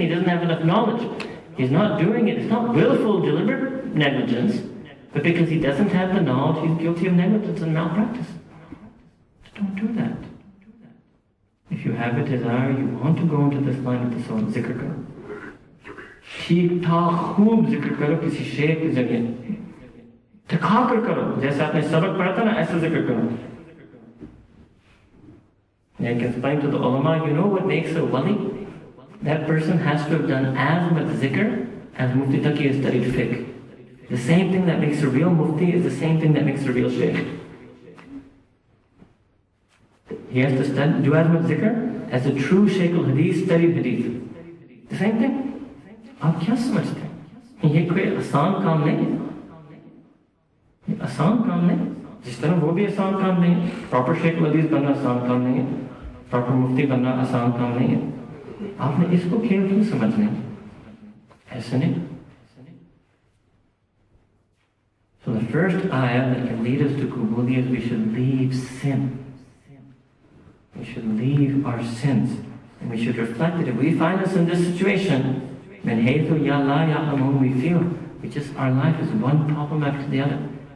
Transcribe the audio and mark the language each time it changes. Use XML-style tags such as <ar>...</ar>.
<en>He doesn't have enough knowledge. He's not doing it. It's not willful, deliberate negligence. But because he doesn't have the knowledge, he's guilty of negligence and malpractice. So don't do that. If you have a desire, you want to go into this line of the soul,</en> <ur>zikr kar. ٹھیک ٹھاک خوب ذکر کرو کسی شیخ کی جگہ تھکا کر کرو جیسے آپ نے سبق پڑھا تھا نا ایسا ذکر کرو.</ur> <en>Like explain to the ulama, you know what makes a wali? That person has to have done as much zikr as Mufti Taqi has studied fiqh. The same thing that makes a real Mufti is the same thing that makes a real Shaykh. He has to do as much zikr as a true Shaykh al-Hadith studied hadith. The same thing.</en> <ur>Aap kya samajhte hain? Ye koi asaan kaam nahi hai. Asaan kaam nahi. جس طرح وہ بھی آسان کام نہیں ہے. Proper شیخ الحدیث بننا آسان کام نہیں ہے, پراپر مفتی بننا آسان کام نہیں ہے. آپ نے اس کو کھیل کیوں سمجھنا ہے؟ ایسا نہیں.</ur> <en>So the first ayah that can lead us to qabooliyat, we should leave sin. We should leave our sins. And we should reflect that if we find us in this situation,</en> <ar>من حيث يا لا يعلمون,</ar> <en>we feel, we just, our life is one problem after the other.</en>